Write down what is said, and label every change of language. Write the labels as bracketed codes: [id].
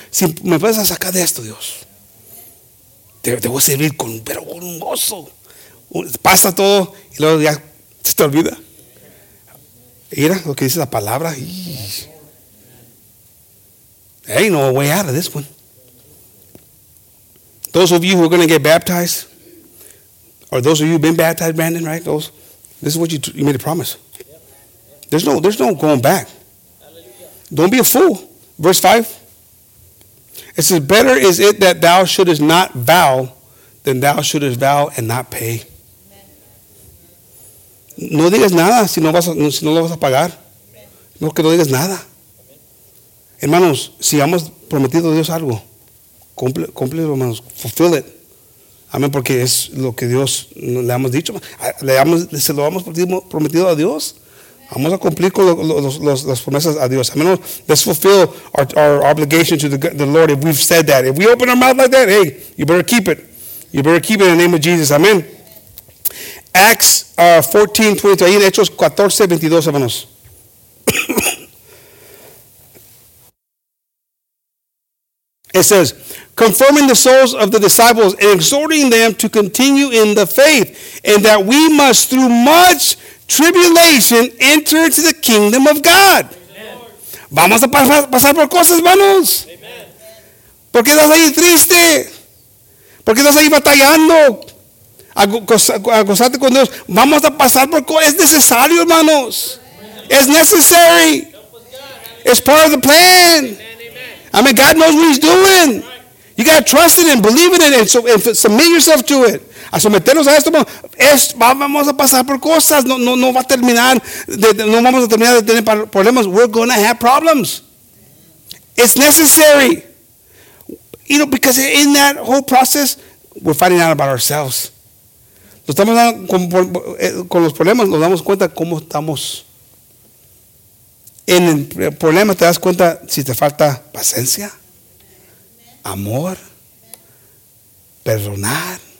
[es] Si me puedes sacar de esto, Dios, te voy a servir con un gozo. Pasa todo y luego ya se te olvida. Mira lo que dice la palabra. [en] There ain't no way out of this one. Those of you who are going to get baptized, or those of you who have been baptized, Brandon, right? Those, this is what you made a promise. There's no going back. Don't be a fool. Verse 5, it says, better is it that thou shouldest not vow than thou shouldest vow and not pay. Amen. [es] No digas nada si no lo vas a pagar. Amen. No, que no digas nada. Amen. Hermanos, si hemos prometido a Dios algo, cumple, hermanos, [en] fulfill it. [es] Amén, porque es lo que Dios le hemos dicho. Le hemos, se lo hemos prometido a Dios. Vamos a cumplir con las promesas a Dios. Amén. [en] Let's fulfill our obligation to the Lord if we've said that. If we open our mouth like that, hey, you better keep it. You better keep it in the name of Jesus. Amén. [es] Acts 14:22. Ahí en Hechos 14:22, hermanos. [en] It says, confirming the souls of the disciples and exhorting them to continue in the faith, and that we must through much tribulation enter into the kingdom of God. [es] Amen. Vamos a pasar por cosas, hermanos. ¿Por qué estás ahí triste? ¿Por qué estás ahí batallando? Acostarte con Dios. Vamos a pasar por cosas. Es necesario, hermanos. Es necessary. [en] It's part of the plan. I mean, God knows what he's doing. You got to trust it and believe in it and submit yourself to it. [es] A someternos a esto, vamos a pasar por cosas. No va a terminar. No vamos a terminar de tener problemas. [en] We're going to have problems. It's necessary. You know, because in that whole process, we're finding out about ourselves. [es] Nos estamos dando con los problemas, nos damos cuenta cómo estamos. En el problema te das cuenta si te falta paciencia, amor, perdonar.